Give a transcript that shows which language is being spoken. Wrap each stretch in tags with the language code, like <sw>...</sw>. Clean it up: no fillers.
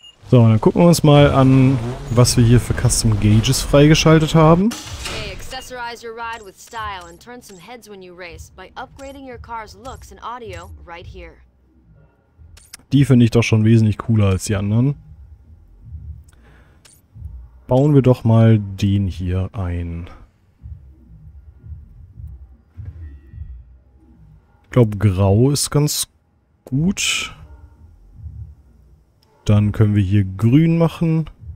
<de>So, dann gucken wir uns mal an, was wir hier für Custom Gauges freigeschaltet haben.</de> <en>Hey, accessorize your ride with style and turn some heads when you race by upgrading your car's looks and audio right here.</en> <de>Die finde ich doch schon wesentlich cooler als die anderen. Bauen wir doch mal den hier ein. Ich glaube, grau ist ganz gut. Dann können wir hier grün machen</de>